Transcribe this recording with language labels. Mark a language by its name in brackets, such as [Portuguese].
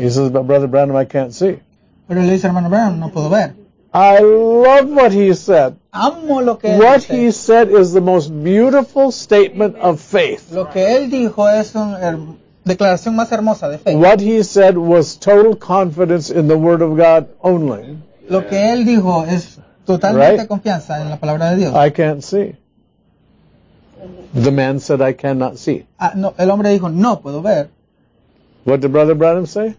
[English] He says, "But Brother Branham, I can't see." [Spanish] Pero le dice, "Hermano Branham, no puedo ver." [English] I love what he said. [Spanish] Amo lo que [English] what [Spanish] dice. [English] He said is the most beautiful statement of faith. [Spanish] Lo que él dijo es un declaración más hermosa de fe. [English] What he said was total confidence in the Word of God only. [Spanish] Lo que él dijo es totalmente [English] right? [Spanish] Confianza en la palabra de Dios. [English] I can't see. The man said, I cannot see. [Spanish] No, el hombre dijo, no puedo ver. [English] What did Brother Branham say?